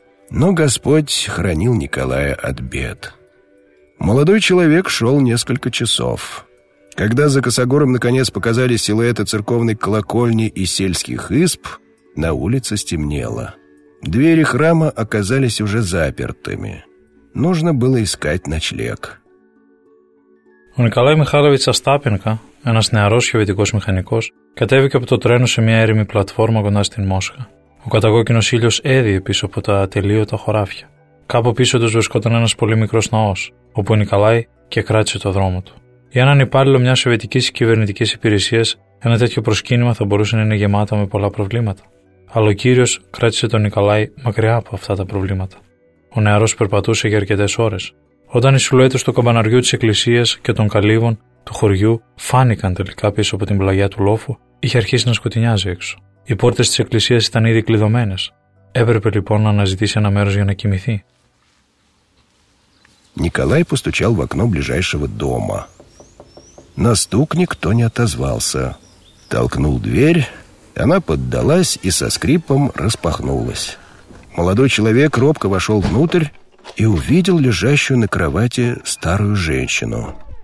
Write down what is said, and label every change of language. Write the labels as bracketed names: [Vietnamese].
[Russian] Но Господь хранил Николая от бед. Молодой человек шел несколько часов. Когда за Косогором наконец показались силуэты церковной колокольни и сельских изб, на улице стемнело. Двери храма оказались уже запертыми. Нужно было искать ночлег. [Greek] У Николая Михайловича Остапенко, ένας νεαρός σιωπητικός μηχανικός, κατέβηκε από το τρένο σε μια έρημη πλατφόρμα κοντά στην Μόσχα. Ο κατακόκκινος ήλιος έδιε πίσω από τα ατελείωτα χωράφια. Κάπου πίσω τους βρισκόταν ένας πολύ μικρός ναός, όπου ο Νικολάη και κράτησε το δρόμο του. Για έναν υπάλληλο μιας σοβιετικής κυβερνητικής υπηρεσίας, ένα τέτοιο προσκύνημα θα μπορούσε να είναι γεμάτο με πολλά προβλήματα. Αλλά ο κύριος κράτησε τον Νικολάη μακριά από αυτά τα προβλήματα. Ο νεαρός περπατούσε για αρκετές ώρες. Όταν οι σιλουέτες του καμπαναριού της εκκλησίας και των καλύβων του χωριού φάνηκαν τελικά πίσω από την πλαγιά του λόφου, είχε αρχίσει να σκοτεινιάζει έξω. Οι πόρτες της εκκλησίας ήταν ήδη κλειδωμένες. Έπρεπε λοιπόν να αναζητήσει ένα μέρος για να κοιμηθεί. [Russian] Νικολάη постучал в окно ближайшего дома. На стук никто не отозвался. Толкнул дверь, она поддалась и со скрипом распахнулась. Молодой человек робко вошел внутрь и увидел лежащую на кровати старую женщину.